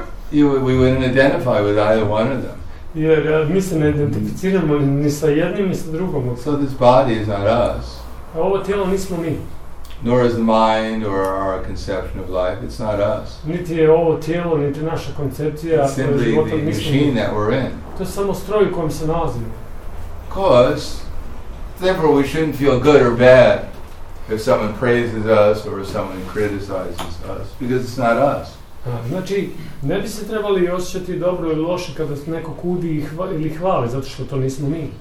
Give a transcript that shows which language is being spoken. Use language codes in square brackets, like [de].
[en] We wouldn't identify with either one of them. [bs] Jer mi se ne identificiramo ni sa jednim ni sa drugom. [en] So this body is not us. [bs] A ovo tijelo nismo mi. [en] Nor is the mind or our conception of life. It's not us. [bs] Niti je ovo tijelo, niti naša koncepcija. [en] It's simply the machine that we're in. [bs] To je samo stroj u kojem se nalazimo. [en] Of course, therefore we shouldn't feel good or bad if someone praises us or if someone criticizes us, because it's not us. [bs] Znači, ne bi se trebali osjećati dobro ili loše kada se neko kudi ili hvali, zato što to nismo mi.